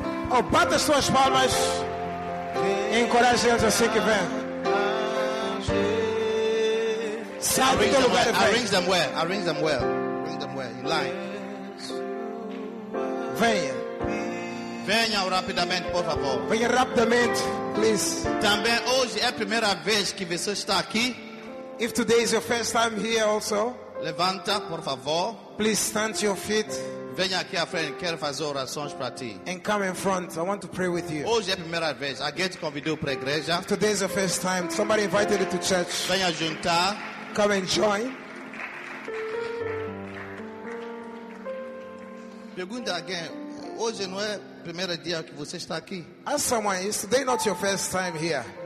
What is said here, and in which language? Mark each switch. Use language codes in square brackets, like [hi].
[pt] Oh, bata as suas palmas e encoraje eles assim que vêm. Sai do teu lugar. [en] Arrange them well. Arrange them well. Arrange them well. In line. [pt] Venha. Venha rapidamente, por favor. Venha rapidamente, please. Também hoje é a primeira vez que você está aqui. [en] If today is your first time here also. [pt] Levanta, por favor. [en] Please stand to your feet. [pt] Venha aqui à frente, quero fazer orações para ti. [en] And come in front, I want to pray with you. [pt] Hoje é a primeira vez, alguém te convidou para a igreja. [en] If today is your first time, somebody invited you to church. [pt] Venha juntar. [en] Come and join. [pt] Pergunta alguém, hoje não é primeiro dia que você está aqui. [en] Ask someone, is today not your first time here?